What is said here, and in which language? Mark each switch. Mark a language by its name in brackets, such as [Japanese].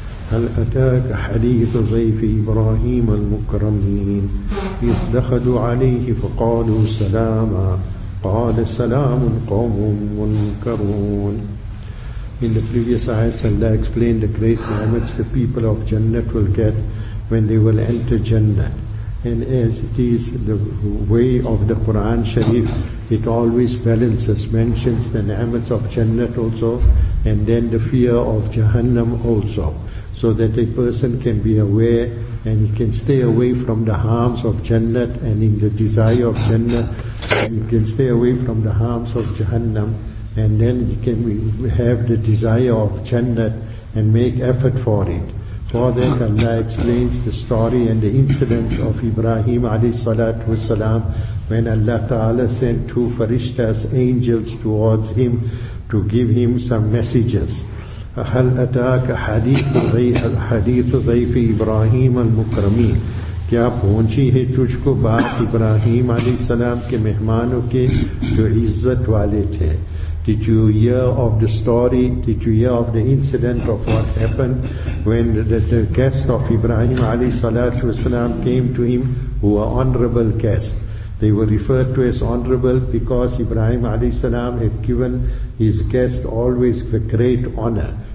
[Arabic] هل أتاك حديث ضيف إبراهيم المكرمين إذ دخلوا عليه فقالوا سلاما قال سلام قوم منكرون. [English] In the previous ayat, Allah explained the great nimets the people of Jannah will get when they will enter Jannah. And as it is the way of the Quran Sharif, it always balances, mentions the ni'mat of Jannah also, and then the fear of Jahannam also, so that a person can be aware and he can stay away from the harms of Jannah and in the desire of Jannah, and he can stay away from the harms of Jahannam, and then he can have the desire of Jannah and make effort for it. For that Allah explains the story and the incidents of Ibrahim alayhi salatu wasalam, when Allah Ta'ala sent two farishtas, angels, towards him to give him some messages. [Arabic] هَلْ أَتَاكَ حَدِيثُ ضَيْفِ إِبْرَاهِيمَ الْمُكْرَمِينَ. [Urdu] کیا پہنچی ہے تجھ کو بات ابراہیم علیہ السلام کے مہمانوں کے جو عزت والے تھے. [English] Did you hear of the story? Did you hear of the incident of what happened when the guest of Ibrahim alayhi salatu wasalam came to him, who were honorable guests? They were referred to as honorable because Ibrahim alayhi salam had given his guest always a great honor.